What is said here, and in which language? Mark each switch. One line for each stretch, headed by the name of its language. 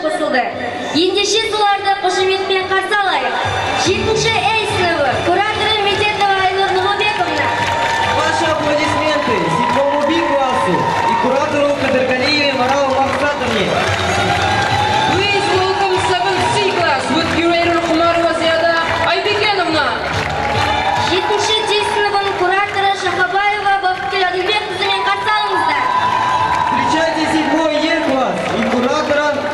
Kazakh: Ендеше соларды қошеметпен қарсы алайық. 7-ші Эй сыныбы, кураторы Митетова Айнур Нұғыбековна.
Russian: Ваши аплодисменты 7-му Би классу и куратору Кадыргалиеве Марал Махсатовне.
English: Please welcome 7-C class with curator Хумарова Зияда Айбекеновна.
Kazakh: 7-ші Дей сыныбының кураторы Шахабаева Бақыткер Адылбековзымен қарсы алыңыздар.
Russian: Встречайте 7-й Е класс и куратора